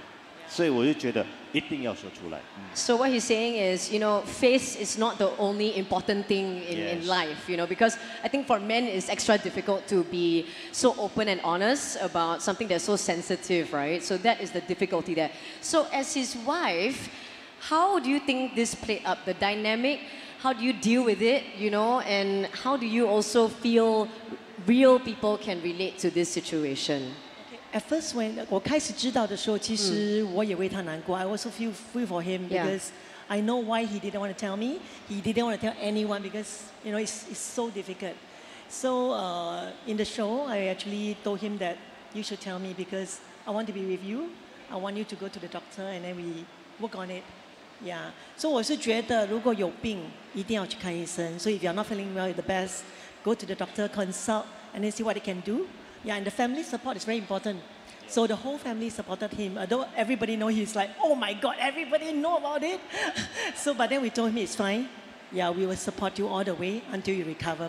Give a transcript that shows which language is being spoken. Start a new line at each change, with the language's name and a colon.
Chinese: 所以我们有这种健康的问题呢，我们必须真的要说出来，不要因为面子，有时候面子会害死一个人。所以我就觉得一定要说出来。
English: So what he's saying is, you know, face is not the only important thing in, in life, you know, because I think for men it's extra difficult to be so open and honest about something that's so sensitive, right? So that is the difficulty there. So as his wife, how do you think this played up, the dynamic? How do you deal with it, you know? And how do you also feel real people can relate to this situation? At first, when
Chinese: 我开始知道的时候，其实我也为他难过。
English: I also feel for him because I know why he didn't want to tell me. He didn't want to tell anyone because you know it's so difficult. So in the show, I actually told him that you should tell me because I want to be with you. I want you to go to the doctor and then we work on it. Yeah. So
Chinese: 我是觉得如果有病，一定要去看医生.
English: So if you're not feeling well, the best go to the doctor, consult, and then see what they can do. Yeah, and the family support is very important. So the whole family supported him. Although everybody know he's like, oh my God, everybody know about it. So, but then we told him it's fine. Yeah, we will support you all the way until you recover.